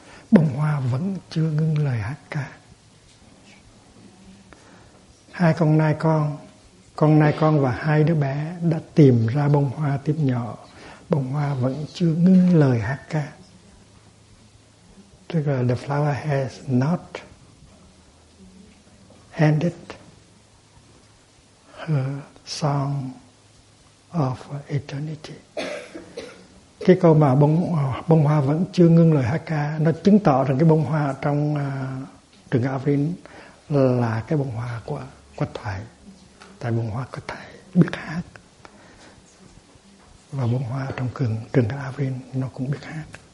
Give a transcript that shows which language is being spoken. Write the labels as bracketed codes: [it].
[vi] Bông hoa vẫn chưa ngưng lời hát ca. Hai con nai con và hai đứa bé đã tìm ra bông hoa tím nhỏ. Bông hoa vẫn chưa ngưng lời hát ca. Tức là [en] the flower has not ended her song of eternity. [vi] Cái câu mà bông hoa vẫn chưa ngưng lời hát ca, nó chứng tỏ rằng cái bông hoa trong Trường Ca Avril là cái bông hoa của Quách Thoại. Tại bông hoa Quách Thoại biết hát, và bông hoa trong Trường Ca Avril nó cũng biết hát.